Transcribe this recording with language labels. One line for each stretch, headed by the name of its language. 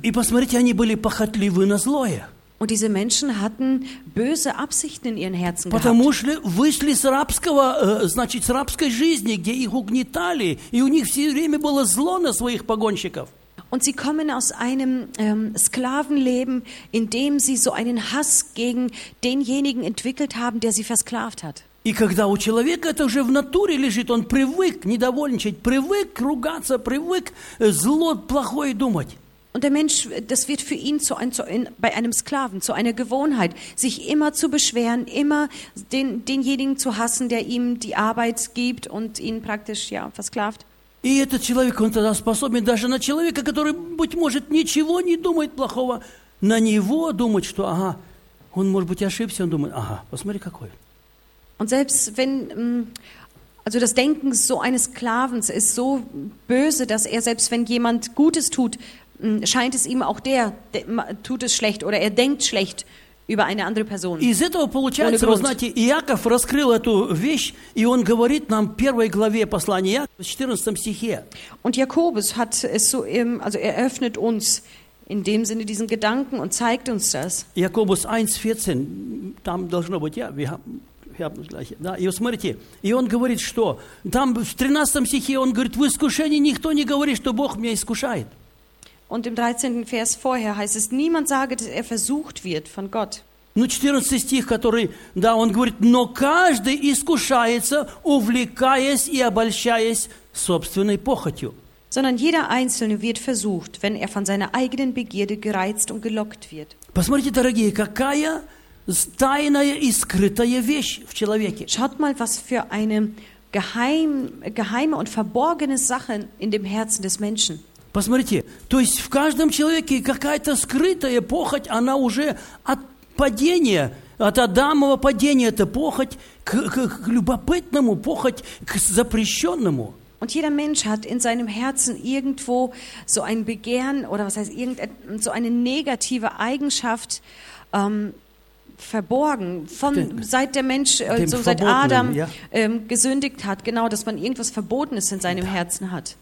Russian: И посмотрите, они были похотливы на злое.
German: Und diese Menschen hatten böse Absichten in ihren Herzen gehabt.
Russian: Потому что вышли с рабского, значит, с рабской жизни, где их угнетали, и у них все время было зло на своих погонщиков.
German: Und sie kommen aus einem Sklavenleben, in dem sie so einen Hass gegen denjenigen entwickelt haben, der sie versklavt hat.
Russian: И когда у человека это уже в натуре лежит, он привык недовольничать, привык ругаться, привык зло, плохое думать.
German: Und der Mensch, das wird für ihn zu einem, bei einem Sklaven, zu einer Gewohnheit, sich immer zu beschweren, immer denjenigen zu hassen, der ihm die Arbeit gibt und ihn praktisch ja, versklavt.
Russian: И этот человек, он тогда способен даже на человека, который, быть может, ничего не думает плохого, на него думать, что, ага, он, может быть, ошибся, он думает, ага, посмотри, какой.
German: Und selbst wenn, also das Denken so eines Sklavens ist so böse, dass er, selbst wenn jemand Gutes tut, scheint es ihm auch der, der tut es schlecht oder er denkt schlecht über eine andere Person.
Russian: Из этого получается, вы знаете, Иаков раскрыл эту вещь, и он говорит нам в первой главе послания Иакова, в 14 стихе.
German: Und Jakobus hat es so, also er öffnet uns in dem Sinne diesen Gedanken und zeigt uns das. Jakobus 1,14,
Russian: там должно быть,
German: ja, wir haben...
Russian: Да, и смотрите, и он говорит, что там в 13 стихе он говорит, в искушении никто не говорит, что Бог меня искушает.
German: Und im 13. Vers vorher heißt es, niemand sage, dass er versucht wird von Gott.
Russian: Ну, 14 стих, который, да, он говорит, но каждый искушается, увлекаясь и обольщаясь собственной похотью.
German: Sondern jeder Einzelne wird versucht, wenn er von seiner eigenen Begierde gereizt und gelockt wird.
Russian: Посмотрите, дорогие, какая... Тайная и скрытая вещь в человеке.
German: Schaut mal, was für eine geheime und verborgene Sache in dem Herzen des Menschen.
Russian: Посмотрите, то есть в каждом человеке какая-то скрытая похоть, она уже от падения, от Адамова падения, это похоть к любопытному, похоть к запрещенному.
German: Und jeder Mensch hat in seinem Herzen irgendwo so ein Begehren oder was heißt so eine negative Eigenschaft. Verborgen, von, seit der Mensch, also seit Adam ja. Gesündigt hat, genau, dass man irgendwas Verbotenes in seinem Herzen hat.